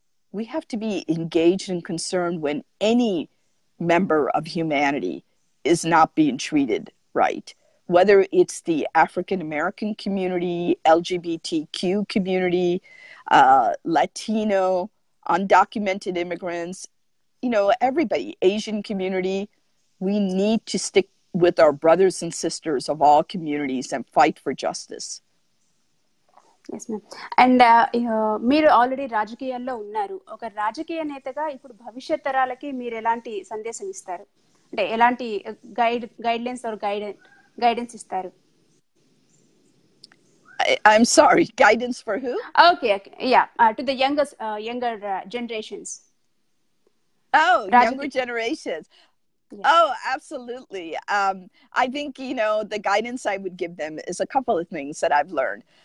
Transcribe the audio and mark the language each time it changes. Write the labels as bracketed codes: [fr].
[en] We have to be engaged and concerned when any member of humanity is not being treated right, whether it's the African-American community, LGBTQ community, Latino, undocumented immigrants, you know, everybody, Asian community. We need to stick with our brothers and sisters of all communities and fight for justice. Yes, ma'am. [te] And మీరు already రాజకీయాల్లో ఉన్నారు. ఒక రాజకీయ నేతగా ఇప్పుడు భవిష్యత్ తరాలకి మీరు ఎలాంటి సందేశం ఇస్తారు? అంటే ఎలాంటి [en] guidelines or guidance [te] ఇస్తారు? [en] I'm sorry, guidance for who? Okay, yeah, to the younger generations. Oh, younger generations. Yeah. Oh, absolutely. I think, you know, the guidance I would give them is a couple of things that I've learned.